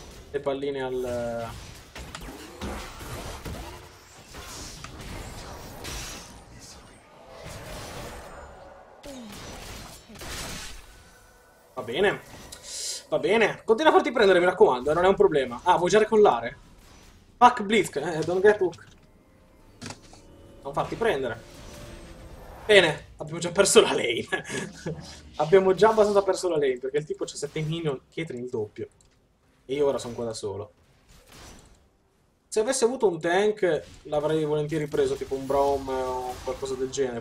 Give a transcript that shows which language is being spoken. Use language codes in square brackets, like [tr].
[it] Le palline al... Va bene. Va bene. Continua a farti prendere, mi raccomando, non è un problema. Ah, vuoi già recollare? [en] Fuck Blitz, don't get hooked. [it] Non farti prendere. Bene, abbiamo già perso la lane. Abbiamo già abbastanza perso la lane, perché il tipo c'ha 7 minion, Caitlyn il doppio. E io ora sono qua da solo. Se avessi avuto un tank, l'avrei volentieri preso, tipo un Braum o qualcosa del genere.